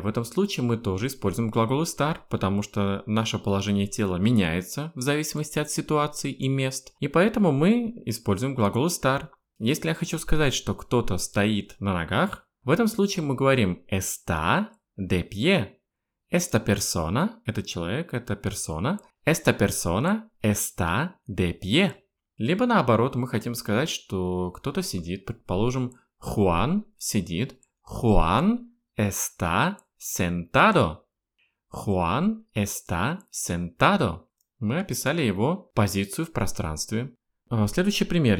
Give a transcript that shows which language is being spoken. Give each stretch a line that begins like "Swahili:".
Russian: В этом случае мы тоже используем глагол estar, потому что наше положение тела меняется в зависимости от ситуации и мест. И поэтому мы используем глагол estar. Если я хочу сказать, что кто-то стоит на ногах, в этом случае мы говорим
Spanish: está de pie. Esta persona,
Russian: это человек, это persona.
Spanish: Esta persona está de pie.
Russian: Либо наоборот, мы хотим сказать, что кто-то сидит, предположим, Juan сидит.
Spanish: Juan está sentado. Juan está sentado.
Russian: Мы описали его позицию в пространстве. Следующий пример.